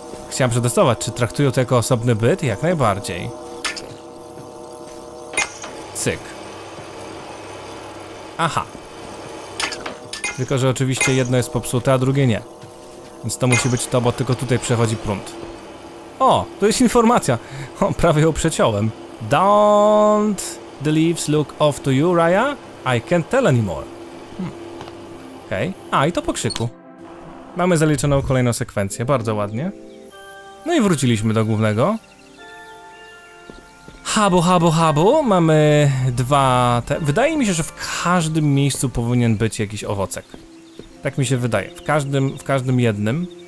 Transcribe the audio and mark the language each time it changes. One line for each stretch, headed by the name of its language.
Polish: Chciałem przetestować, czy traktują to jako osobny byt? Jak najbardziej. Cyk. Aha. Tylko, że oczywiście jedno jest popsute, a drugie nie. Więc to musi być to, bo tylko tutaj przechodzi prąd. O, to jest informacja. O, prawie ją przeciąłem.
English: Don't the leaves look off to you, Raya? I can't tell anymore.
Polish: Okej. Okay. A, i to po krzyku. Mamy zaliczoną kolejną sekwencję. Bardzo ładnie. No i wróciliśmy do głównego. Habu, habu, habu. Mamy dwa... Wydaje mi się, że w każdym miejscu powinien być jakiś owocek. Tak mi się wydaje. W każdym jednym.